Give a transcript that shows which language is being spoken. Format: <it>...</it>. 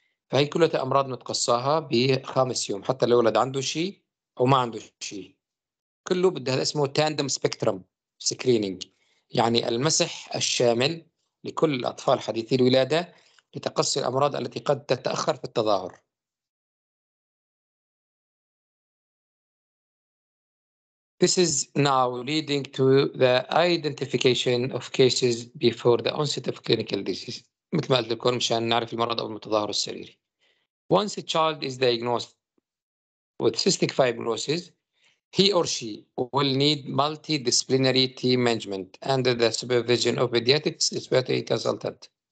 <ar>فهي كلها أمراض نتقصاها بخامس يوم، حتى لو ولد عنده شيء أو ما عنده شيء كله بده، هذا اسمه تاندم سبيكترم سكرينينج، يعني المسح الشامل لكل الأطفال حديثي الولادة لتقصي الأمراض التي قد تتأخر في التظاهر.</ar> <en>This is now leading to the identification of cases before the onset of clinical disease.</en> <ar>مثل ما قلت لكم مشان نعرف المرض أو المتظاهر السريري.</ar> <en>Once a child is diagnosed with cystic fibrosis, he or she will need multidisciplinary team management under the supervision of a pediatric respiratory consultant.</en>